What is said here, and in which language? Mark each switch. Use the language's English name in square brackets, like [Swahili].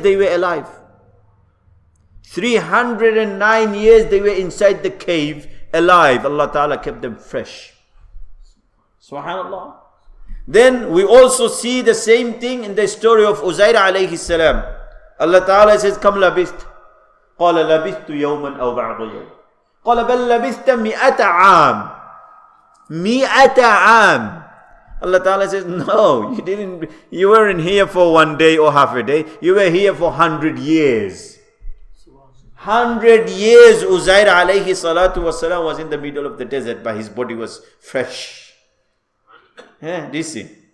[English] They were alive 309 years. They were inside the cave alive. Allah Ta'ala kept them fresh. Subhanallah. Then we also see the same thing in the story of Uzair alayhi salam. Allah Ta'ala says, [Arabic] kam labist? Qala labistu yawman aw ba'd yawm. قال بل لبثت مئة عام مئة عام. [English] Allah Ta'ala says, no, you weren't here for one day or half a day. You were here for 100 years. 100 years Uzair alayhi salatu wasalam was in the middle of the desert, but his body was fresh. Yeah, do you see?